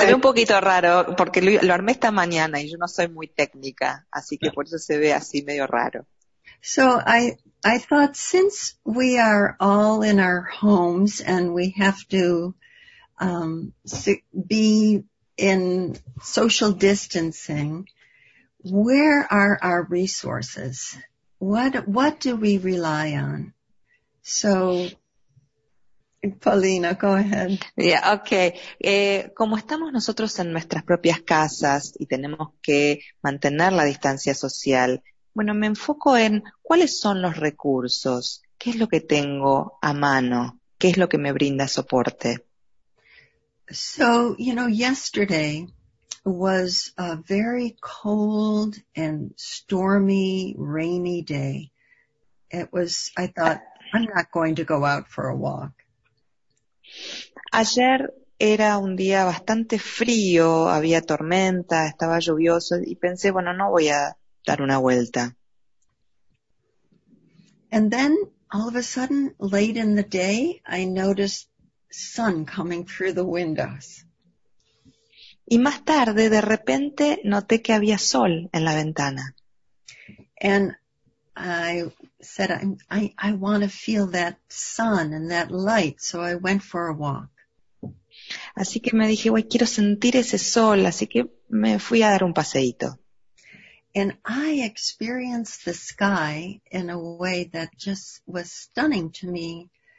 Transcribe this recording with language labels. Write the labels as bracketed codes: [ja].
[es] Se ve un poquito raro porque lo armé esta mañana y yo no soy muy técnica, así que por eso se ve así medio raro. [en] So I thought since we are all in our homes and we have to be in social distancing, where are our resources? What do we rely on? So, Paulina, go ahead. Yeah, okay. [es] Como estamos nosotros en nuestras propias casas y tenemos que mantener la distancia social, bueno, me enfoco en cuáles son los recursos, qué es lo que tengo a mano, qué es lo que me brinda soporte. [en] So, you know, yesterday was a very cold and stormy, rainy day. I thought, I'm not going to go out for a walk. [es] Ayer era un día bastante frío, había tormenta, estaba lluvioso y pensé, bueno, no voy a dar una vuelta. [en] And then all of a sudden, late in the day, I noticed sun coming through the windows. [es] Y más tarde, de repente, noté que había sol en la ventana. [en] And I said, I want to feel that sun and that light, so I went for a walk. [es] Así que me dije, güey, quiero sentir ese sol, así que me fui a dar un paseíto. [en] And I experienced the sky in a way that just was stunning to me.